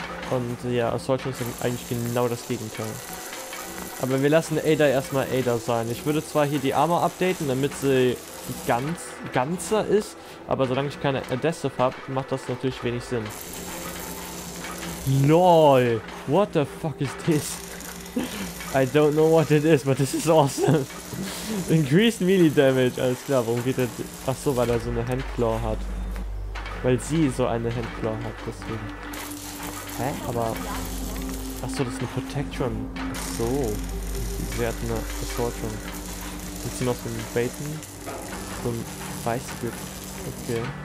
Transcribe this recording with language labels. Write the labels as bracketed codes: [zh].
[de] Und ja, Assault ist eigentlich genau das Gegenteil. Aber wir lassen Ada erstmal Ada sein. Ich würde zwar hier die Armor updaten, damit sie ganzer ist, aber solange ich keine Adhesive habe, macht das natürlich wenig Sinn. [en] LOL! What the fuck is this? I don't know what it is, but this is awesome! Increased Melee Damage, [de] alles klar, warum geht er... Achso, weil er so eine Handclaw hat. Weil sie so eine Handclaw hat, deswegen. Hä? Aber... Achso, das ist eine Protection. Achso. Sie hat eine Assortion. Gibt's hier noch so einen Baiten? So ein Weißgrip. Okay.